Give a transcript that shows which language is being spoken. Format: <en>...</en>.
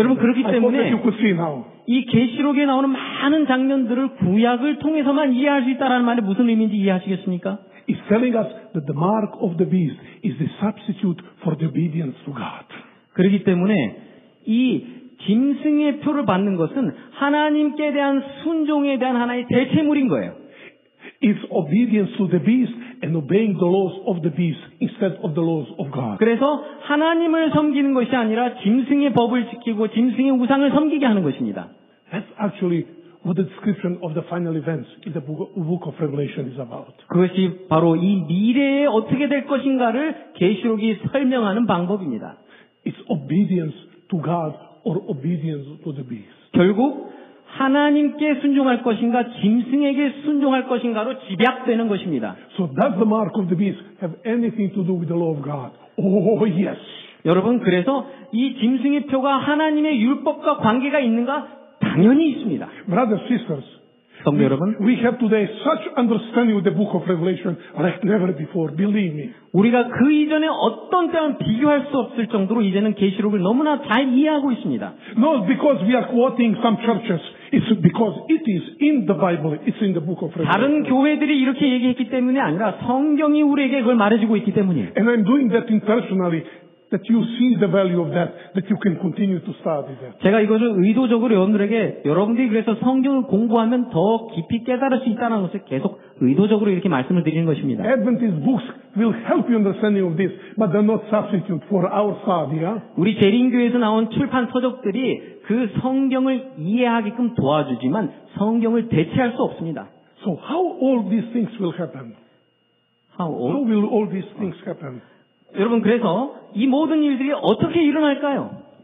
<ko>여러분 그렇기 때문에</ko> <en>I hope that you could see now.</en> <ko>이 계시록에 나오는 많은 장면들을 구약을 통해서만 이해할 수 있다라는 말이 무슨 의미인지 이해하시겠습니까?</ko> <en>It's telling us that the mark of the beast is the substitute for the obedience to God.</en> <ko>그렇기 때문에 이 짐승의 표를 받는 것은 하나님께 대한 순종에 대한 하나의 대체물인 거예요.</ko> <en>It's obedience to the beast and obeying the laws of the beast instead of the laws of God.</en> <ko>그래서 하나님을 섬기는 것이 아니라 짐승의 법을 지키고 짐승의 우상을 섬기게 하는 것입니다.</ko> <en>That's actually what the description of the final events in the book of Revelation is about.</en> <ko>그것이 바로 이 미래에 어떻게 될 것인가를 계시록이 설명하는 방법입니다.</ko> <en>It's obedience to God or obedience to the beast.</en> <ko>결국 하나님께 순종할 것인가 짐승에게 순종할 것인가로 집약되는 것입니다.</ko> <en>So does the mark of the beast have anything to do with the law of God? Oh yes.</en> <ko>여러분 그래서 이 짐승의 표가 하나님의 율법과 관계가 있는가? 당연히 있습니다.</ko> <en>Brothers, sisters.</en> <ko>성도 여러분,</ko> <en>we have today such understanding of the book of Revelation like never before. Believe me.</en> <ko>우리가 그 이전에 어떤 때와 비교할 수 없을 정도로 이제는 계시록을 너무나 잘 이해하고 있습니다.</ko> <en>Not because we are quoting some churches. It's because it is in the Bible. It's in the book of Revelation.</en> <ko>다른 교회들이 이렇게 얘기했기 때문이 아니라 성경이 우리에게 그걸 말해주고 있기 때문이에요.</ko> <en>And I'm doing that intentionally. That you see the value of that, that you can continue to study that.</en> <ko>제가 이것을 의도적으로 여러분들에게 여러분들이 그래서 성경을 공부하면 더 깊이 깨달을 수 있다는 것을 계속 의도적으로 이렇게 말씀을 드리는 것입니다.</ko> <en>Adventist books will help you understanding of this, but they're not substitute for our study. Yeah?</en> <ko>우리 재림교회에서 나온 출판 서적들이 그 성경을 이해하게끔 도와주지만 성경을 대체할 수 없습니다.</ko> <en>So how all these things will happen? How will all these things happen?</en> <ko>여러분 그래서 이 모든 일들이 어떻게 일어날까요?</ko>